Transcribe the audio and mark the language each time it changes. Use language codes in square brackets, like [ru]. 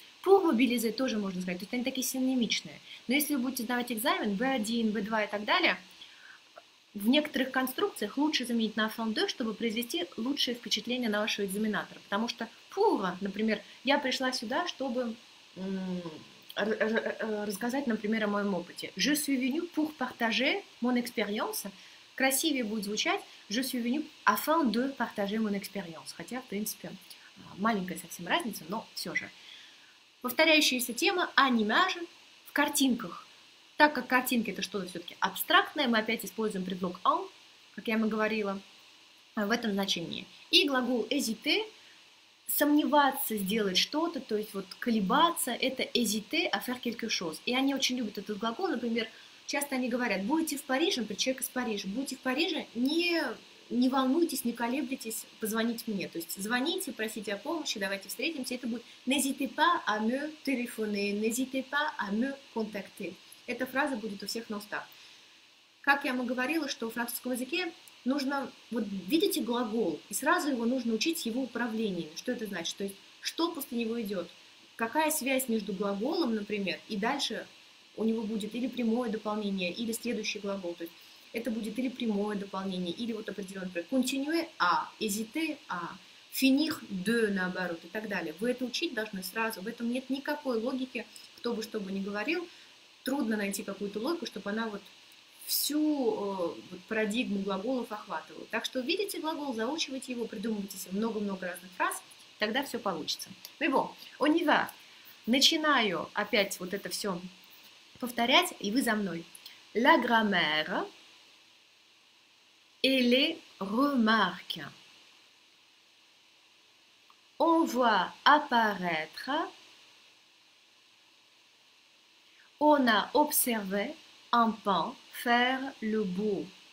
[ru] Pour mobiliser тоже можно сказать, то есть они такие синонимичные. Но если вы будете сдавать экзамен B1, B2 и так далее, в некоторых конструкциях лучше заменить на afin de, чтобы произвести лучшее впечатление на вашего экзаменатора. Потому что pour, например, я пришла сюда, чтобы рассказать, например, о моем опыте. [fr] Je suis venue pour partager mon expérience. [ru] Красивее будет звучать [fr] «Je suis venu afin de partager mon expérience». [ru] Хотя, в принципе, маленькая совсем разница, но все же. Повторяющаяся тема «animage» в картинках. Так как картинки – это что-то все-таки абстрактное, мы опять используем предлог «en», как я вам говорила, в этом значении. И глагол «hésiter» – сомневаться, сделать что-то, то есть вот колебаться – это [fr] «hésiter à faire quelque chose». [ru] И они очень любят этот глагол, например, часто они говорят, будете в Париже, например, человек из Парижа, будете в Париже, не волнуйтесь, не колеблетесь, позвоните мне. То есть звоните, просите о помощи, давайте встретимся. Это будет [fr] n'hésitez pas à me téléphoner, n'hésitez pas à me contacter. [ru] Эта фраза будет у всех на устах. Как я вам говорила, что в французском языке нужно, вот видите глагол, и сразу его нужно учить его управлением. Что это значит? То есть что после него идет? Какая связь между глаголом, например, и дальше у него будет или прямое дополнение, или следующий глагол. То есть это будет или прямое дополнение, или вот определенный пример. [fr] Continue à, hésiter à, finir de, [ru] наоборот, и так далее. Вы это учить должны сразу. В этом нет никакой логики, кто бы что бы ни говорил. Трудно найти какую-то логику, чтобы она вот всю вот парадигму глаголов охватывала. Так что видите глагол, заучивайте его, придумывайте себе много-много разных фраз, тогда все получится. [fr] Либо, on y va. [ru] Начинаю опять вот это все повторять, и вы за мной. [fr] La grammaire et les remarques. On voit apparaître. On a observé un paon faire le beau.